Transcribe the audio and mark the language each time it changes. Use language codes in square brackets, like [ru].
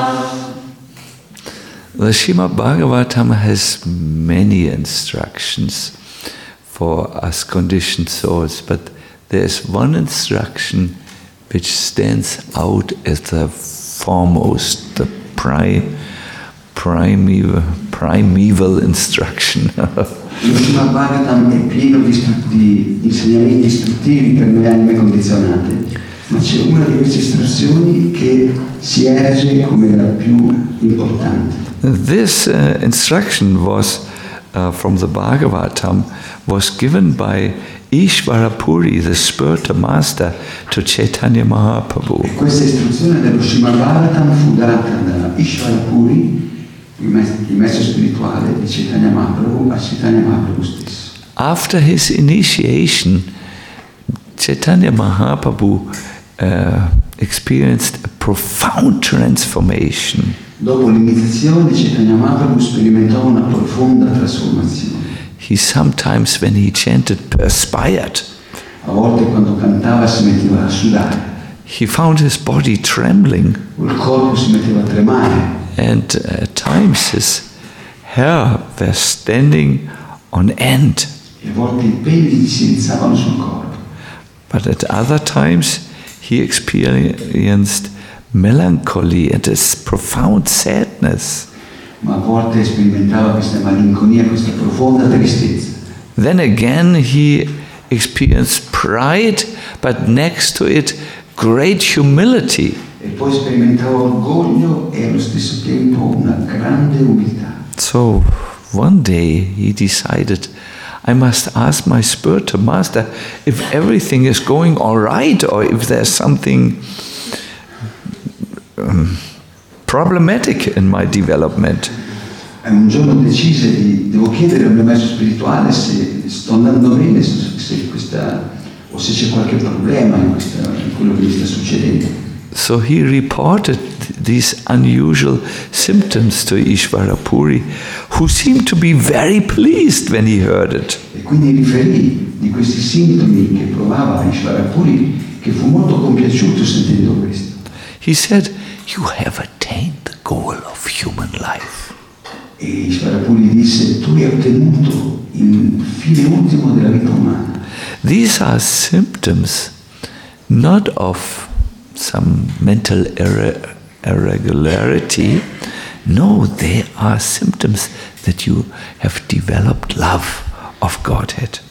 [en] The Srimad Bhagavatam has many instructions for us conditioned souls, but there's one instruction which stands out as the foremost, the primeval instruction. [it] Lo Srimad Bhagavatam è pieno di insegnamenti istruttivi per le anime condizionate, ma c'è una di queste istruzioni che si erge come la più importante. [en] This instruction was from the Bhagavatam, was given by Ishvara Puri, the spiritual master, to Chaitanya Mahaprabhu. [it] Questa istruzione dello Srimad Bhagavatam fu data da Ishvara Puri, il maestro spirituale di Chaitanya Mahaprabhu, a Chaitanya Mahaprabhu stesso. [en] After his initiation, Chaitanya Mahaprabhu experienced a profound transformation. [it] Dopo l'iniziazione, Chaitanya Mahaprabhu sperimentò una profonda trasformazione. [en] He sometimes, when he chanted, perspired. [it] A volte quando cantava si metteva a sudare. [en] He found his body trembling. [it] Il corpo si metteva a tremare. [en] And at times his hair was standing on end. [it] E a volte i peli si alzavano sul corpo. [en] But at other times he experienced melancholy and this profound sadness. [it] Ma a volte sperimentava questa malinconia, questa profonda tristezza. [en] Then again he experienced pride, but next to it great humility. [it] E poi sperimentava orgoglio e allo stesso tempo una grande umiltà. [en] So one day he decided, I must ask my spiritual master if everything is going all right or if there's something problematic in my development. [it] E un giorno decise di devo chiedere al mio maestro spirituale se sto andando bene, se questa o se c'è qualche problema in questa in quello che mi sta succedendo. [en] So he reported these unusual symptoms to Ishvara Puri, who seemed to be very pleased when he heard it. [it] E quindi riferì di questi sintomi che provava Ishvara Puri, che fu molto compiaciuto sentendo questo. [en] He said, "You have attained the goal of human life." [it] E Ishvara Puri disse, "Tu hai ottenuto il fine ultimo della vita umana." [en] These are symptoms, not of some mental irregularity. No, they are symptoms that you have developed love of Godhead.